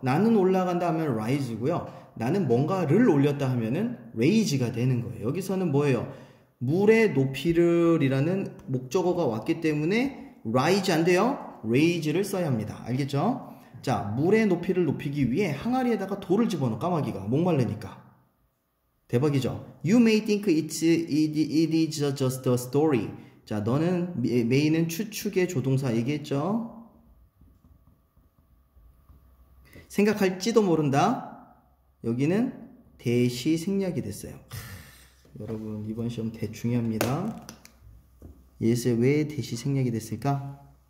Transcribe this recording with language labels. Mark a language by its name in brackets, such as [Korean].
[Korean] 나는 올라간다 하면 rise고요. 나는 뭔가를 올렸다 하면은 raise가 되는 거예요. 여기서는 뭐예요? 물의 높이를 이라는 목적어가 왔기 때문에 rise 안 돼요? raise를 써야 합니다. 알겠죠? 자, 물의 높이를 높이기 위해 항아리에다가 돌을 집어넣어. 까마귀가 목말르니까. 대박이죠? [English] You may think it is just a story. [Korean] 자, 너는 may는 추측의 조동사 얘기했죠? 생각할지도 모른다. 여기는 대시 생략이 됐어요. 여러분 이번 시험 대중요합니다. 예스에 왜 대시 생략이 됐을까?